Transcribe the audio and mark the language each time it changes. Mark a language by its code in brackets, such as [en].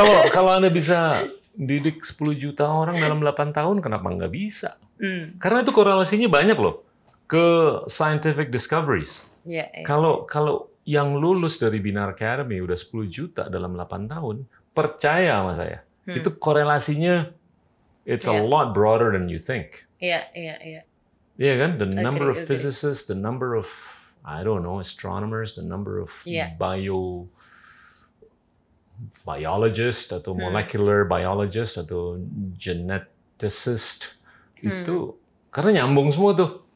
[id] Kalau Anda bisa didik 10 juta orang dalam 8 tahun, kenapa enggak bisa? Karena itu korelasinya banyak loh ke [en] scientific discoveries. [id] Kalau yang lulus dari Binar Academy udah 10 juta dalam 8 tahun, percaya sama saya. Itu korelasinya [en] it's a lot broader than you think. [id] Iya kan? [en] The number of physicists, the number of I don't know, astronomers, the number of biologists [id] atau [en] molecular biologists atau geneticists. [id] Itu karena nyambung semua tuh.